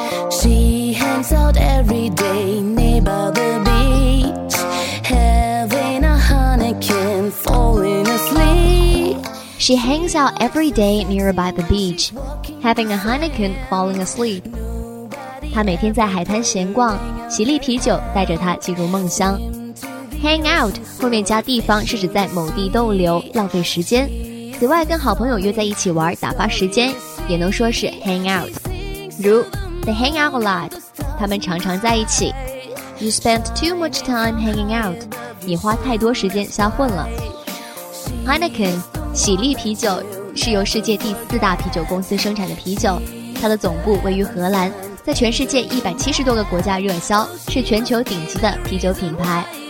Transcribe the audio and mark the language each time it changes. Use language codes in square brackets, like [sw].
[en] She hangs out every day near by the beach, having a honeycomb, falling asleep. She hangs out every day near by the beach, having a honeycomb, falling asleep. [zh] 她每天在海滩闲逛，喜力啤酒带着她进入梦乡。 Hang out 后面加地方是指在某地逗留，浪费时间。此外，跟好朋友约在一起玩，打发时间，也能说是 hang out。如 ， [en] They hang out a lot， [zh] 他们常常在一起。 [en] You spent too much time hanging out， [zh] 你花太多时间瞎混了。 Heineken， 喜力啤酒是由世界第四大啤酒公司生产的啤酒，它的总部位于荷兰，在全世界170多个国家热销，是全球顶级的啤酒品牌。